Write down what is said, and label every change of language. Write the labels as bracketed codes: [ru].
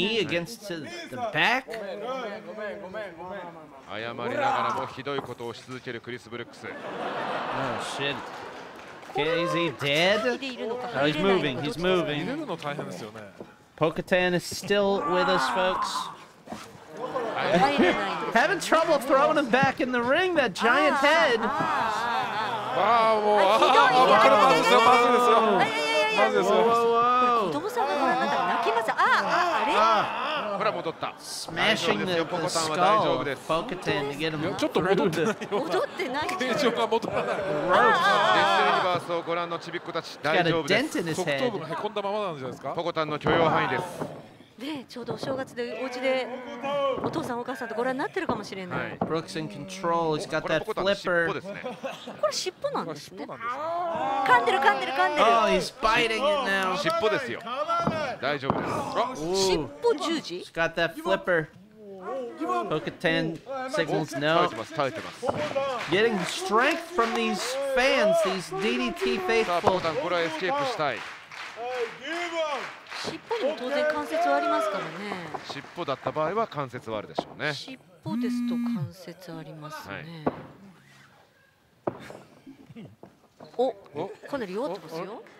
[en] Knee against the back. [ja] ごめん、ごめん、ごめん。謝りながらもひどいことをし続けるクリス・ブルックス。 [en] Oh shit. Okay, is he dead? Oh, he's moving. He's moving. [ja] 入れるの大変ですよね。 [en] Pocatan is still with us, folks. [ja] 入れない。 [en] Having trouble throwing him back in the ring, that giant head. [ja] わあ、もう、ああ、わかる、まずですよ、まずですよ。まずですよ。どうさんがなんか泣きます。ああ、あれ。ほら戻った。 [en] Smashing the skull. Pocatan to get him. [ja] ちょっと戻ってないよ。形状が戻らない。デスユニバースをご覧のちびっ子たち大丈夫です。側頭部がへこんだままなんじゃないですか。ポコタンの許容範囲です。ね、ちょうどお正月でお家でお父さんお母さんとご覧になってるかもしれない。 [en] Brooks in control. He's got that flipper. [ja] これ尻尾なんですね。噛んでる噛んでる噛んでる。 [en] Oh, he's biting it now. [ja] 尻尾ですよ。大丈夫です。尻尾十字。 [en] He's got that flipper. Pocatan signals no. [ja] 耐えてます。 [en] Getting strength from these fans, these DDT faithful. [ja] さあ、ポコタンこれはエスケープしたい。尻尾にも当然関節はありますからね。尻尾だった場合は関節はあるでしょうね。尻尾ですと関節ありますね、はい、おかなり弱ってますよ。